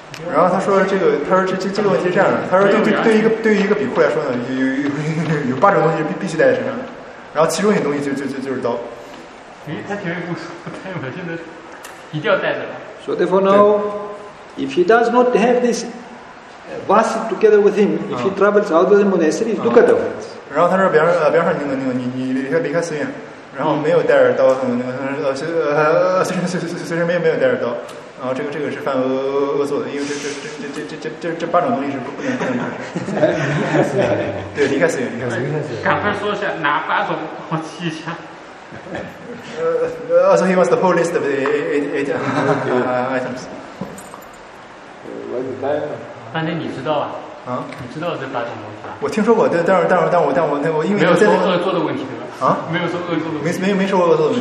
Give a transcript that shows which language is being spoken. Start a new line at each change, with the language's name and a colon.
Chinese: 然后他说这个问题是这样的，他说对于一个比库来说呢，有八种东西必须带在身上的，然后其中一个东西就是刀。他前面不说，他现在一定要带着了。
English: So therefore now, if he does not have this vase together with him, if he travels out of the monastery, look at it.
Chinese: 然后他说比方说你离开寺院，然后没有带着刀，虽然没有带着刀。然后这个是犯恶作的，因为这八种东西是不能离开寺院。对，离开寺院。赶快说一下哪八种，我记一下。
English: So he wants the whole list of the eight items.
Chinese: 反正你知道吧？你知道这八种东西吧？我听说过，但我因为没有说恶作的问题啊，没有说恶作的问题，没说恶作的问题。